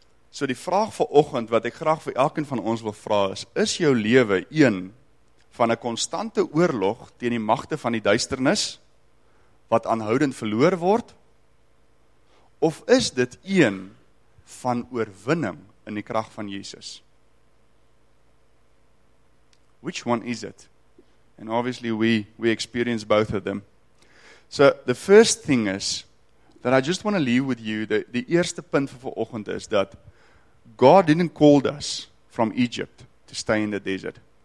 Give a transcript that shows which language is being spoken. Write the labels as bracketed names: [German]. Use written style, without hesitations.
[Afrikaans] So die vraag vir oggend wat ek graag vir elkeen van ons wil vra is, is jou lewe een van 'n konstante oorlog teen die magte van die duisternis wat aanhoudend verloor word? Of is dit een van oorwinning in die krag van Jesus? [English] Which one is it? And obviously we experience both of them. So the first thing is that I just want to leave with you that the [Afrikaans] eerste punt vir vanoggend is dat [English] God didn't call us from Egypt to stay in the desert.